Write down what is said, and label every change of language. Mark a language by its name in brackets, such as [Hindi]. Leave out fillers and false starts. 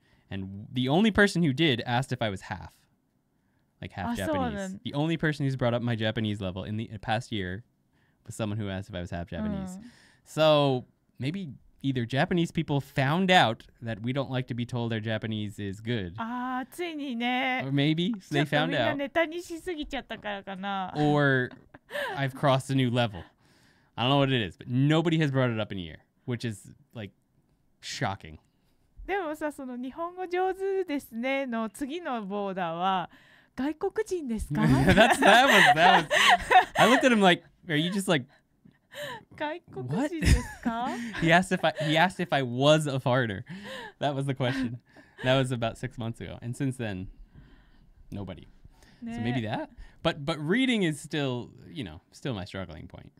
[English] And the only person who did asked if I was half, like half Japanese. The only person who's brought up my Japanese level in the past year was someone who asked if I was half Japanese. Mm. So maybe either Japanese people found out that we don't like to be told their Japanese is good. [Japanese] Ah, ついにね。 [English] Or maybe they found out. [Japanese] ちょっとみんなネタにしすぎちゃったからかな。 [English] Or I've crossed a new level. I don't know what it is, but nobody has brought it up in a year, which is like shocking. [Japanese] でもさ、その日本語上手ですねの次のボーダーは外国人ですか? [English] That was. I looked at him like, are you just like, what? he asked if I was a foreigner. That was the question. That was about 6 months ago. And since then, nobody. ね.So maybe that. But reading is still, you know, still my struggling point.